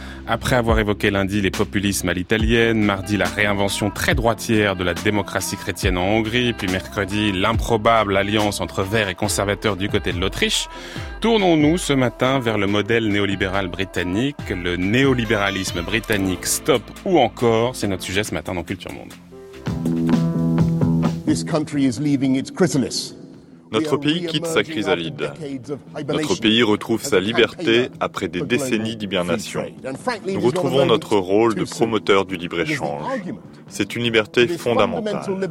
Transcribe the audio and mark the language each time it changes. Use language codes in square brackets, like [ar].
[fr] Après avoir évoqué lundi les populismes à l'italienne, mardi la réinvention très droitière de la démocratie chrétienne en Hongrie, puis mercredi l'improbable alliance entre verts et conservateurs du côté de l'Autriche, tournons-nous ce matin vers le modèle néolibéral britannique, le néolibéralisme britannique stop ou encore, c'est notre sujet ce matin dans Culture Monde. [en] This country is leaving its chrysalis. [fr] Notre pays quitte sa chrysalide. Notre pays retrouve sa liberté après des décennies d'hibernation. Nous retrouvons notre rôle de promoteur du libre-échange. C'est une liberté fondamentale.